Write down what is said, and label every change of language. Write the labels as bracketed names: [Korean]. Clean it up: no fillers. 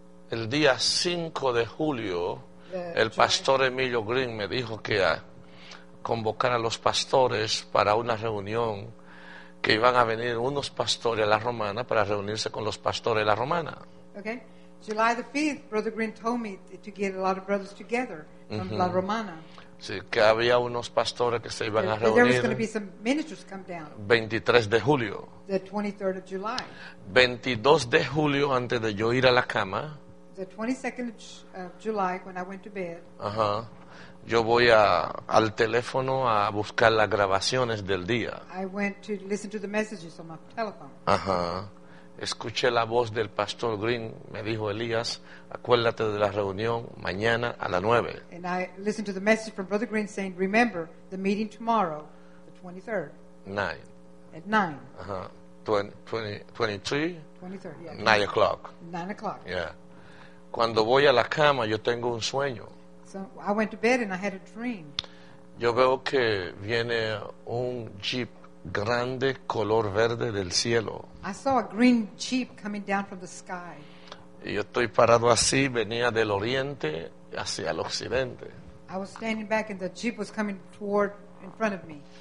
[Spanish] El día 5 de julio, el pastor Emilio Green me dijo que convocar a los pastores para una reunión, que iban a venir unos pastores a La Romana para reunirse con los pastores de La Romana. [English] Okay. July the 5th, Brother Green told me to get a lot of brothers together from La Romana. [Spanish] Sí, que había unos pastores que se iban a reunir. [English] There was going to be some ministers come down. [Spanish] 23 de julio. [English] The 23rd of July. [Spanish] 22 de julio, antes de yo ir a la cama. [English] The 22nd of July, when I went to bed. [Spanish] Yo voy al teléfono a buscar las grabaciones del día. [English] I went to listen to the messages on my telephone. [Spanish] Escuché la voz del pastor Green, me dijo Elías, acuérdate de la reunión mañana a las 9. [English] And I listened to the message from Brother Green saying, remember the meeting tomorrow, the 23rd. 9. At 9. 23? 23, yeah. 9 o'clock. Yeah. [Spanish] Cuando voy a la cama, yo tengo un sueño. [English] So I went to bed and I had a dream. [Spanish] Yo veo que viene un jeep grande color verde del cielo. [English] I saw a green jeep coming down from the sky. [Spanish] Y yo estoy parado así, venía del oriente hacia el occidente. [English] I was standing back and the jeep was coming toward in front of me.